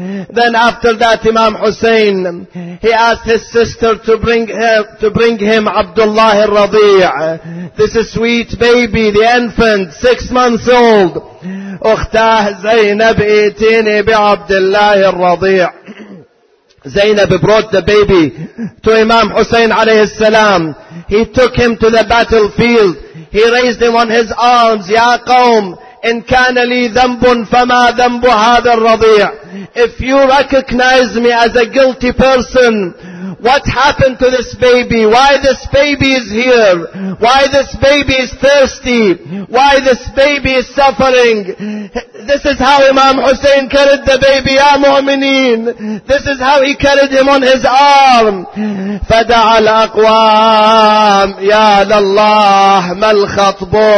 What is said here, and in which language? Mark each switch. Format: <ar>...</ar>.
<en>Then after that, Imam Hussein, he asked his sister to bring him Abdullah al-Radi', this is sweet baby, the infant, 6 months old.</en> <ar>أختاه زينب إيتيني بعبد الله الرضيع.</ar> <en>Zainab brought the baby to Imam Hussein alayhi salam. He took him to the battlefield. He raised him on his arms.</en> <ar>Ya qawm, in kana li dhanbun fama dhanbu hadha ar-radi'.</ar> <en>If you recognize me as a guilty person, what happened to this baby? Why this baby is here? Why this baby is thirsty? Why this baby is suffering? This is how Imam Hussein carried the baby,</en> <ar>ya mu'mineen.</ar> <en>This is how he carried him on his arm.</en> <ar>فَدَعَ الْأَقْوَامِ يَا لَلَّهِ مَا الْخَطْبُ</ar>